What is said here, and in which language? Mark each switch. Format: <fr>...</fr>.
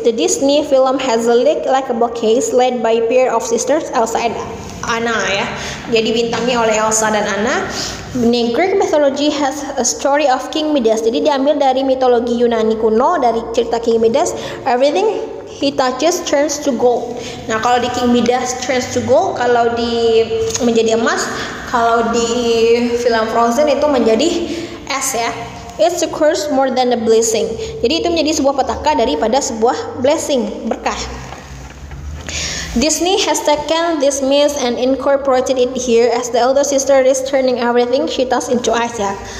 <en>The Disney film has a likable case led by a pair of sisters, Elsa and Anna ya.</en> <id>Jadi bintangnya oleh Elsa dan Anna.</id> <en>The Greek mythology has a story of King Midas.</en> <id>Jadi diambil dari mitologi Yunani kuno, dari cerita King Midas.</id> <en>Everything he touches turns to gold.</en> <id>Nah, kalau di King Midas turns to gold, kalau di menjadi emas, kalau di film Frozen itu menjadi es ya.</id> <en>It's a curse more than a blessing.</en> <id>Jadi itu menjadi sebuah petaka daripada sebuah blessing, berkah.</id> <en>Disney has taken this myth and incorporated it here as the elder sister is turning everything she touches into ice ya.</en>